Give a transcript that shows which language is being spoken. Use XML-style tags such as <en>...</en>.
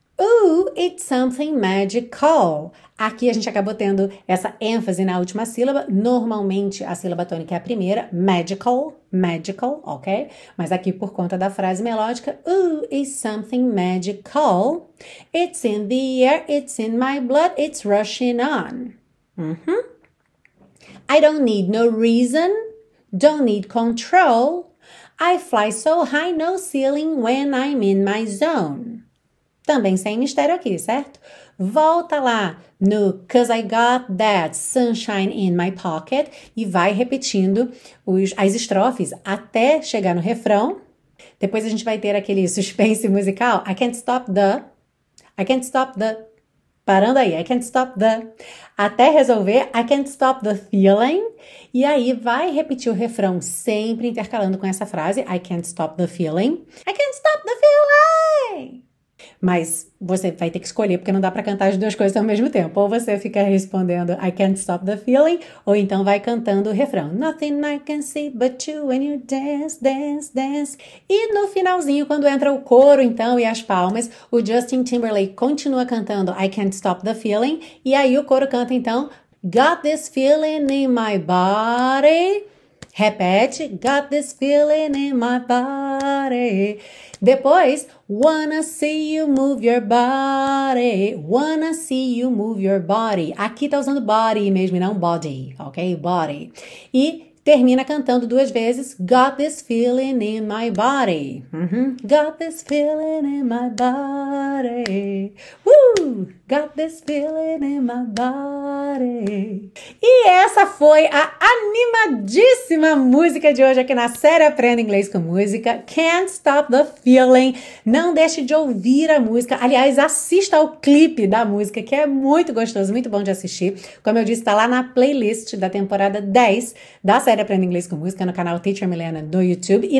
<en>Ooh, it's something magical.</en> <pt>Aqui a gente acabou tendo essa ênfase na última sílaba. Normalmente a sílaba tônica é a primeira, magical, magical, ok? Mas aqui por conta da frase melódica,</pt> <en>ooh, it's something magical. It's in the air, it's in my blood, it's rushing on. I don't need no reason, don't need control. I fly so high, no ceiling when I'm in my zone.</en> <pt>Também sem mistério aqui, certo? Volta lá no</pt> <en>'cause I got that sunshine in my pocket</en> <pt>e vai repetindo as estrofes até chegar no refrão. Depois a gente vai ter aquele suspense musical.</pt> <en>I can't stop the. I can't stop the.</en> <pt>Parando aí.</pt> <en>I can't stop the.</en> <pt>Até resolver.</pt> <en>I can't stop the feeling.</en> <pt>E aí vai repetir o refrão sempre intercalando com essa frase.</pt> <en>I can't stop the feeling. I can't stop the feeling.</en> <pt>Mas você vai ter que escolher, porque não dá para cantar as duas coisas ao mesmo tempo. Ou você fica respondendo</pt> <en>I can't stop the feeling,</en> <pt>ou então vai cantando o refrão.</pt> <en>Nothing I can see but you when you dance, dance, dance.</en> <pt>E no finalzinho, quando entra o coro, então, e as palmas, o Justin Timberlake continua cantando</pt> <en>I can't stop the feeling.</en> <pt>E aí o coro canta, então,</pt> <en>Got this feeling in my body.</en> <pt>Repete,</pt> <en>got this feeling in my body.</en> <pt>Depois,</pt> <en>wanna see you move your body. Wanna see you move your body.</en> <pt>Aqui tá usando body mesmo, não body,</pt> <en>ok? Body. E</en> <pt>termina cantando duas vezes:</pt> <en>Got this feeling in my body. Got this feeling in my body. Got this feeling in my body.</en> <pt>E essa foi a animadíssima música de hoje aqui na série Aprenda Inglês com Música. Can't Stop the Feeling. Não deixe de ouvir a música. Aliás, assista ao clipe da música, que é muito gostoso, muito bom de assistir. Como eu disse, está lá na playlist da temporada 10 da série Aprenda Inglês com Música, no canal Teacher Milena do YouTube.</pt>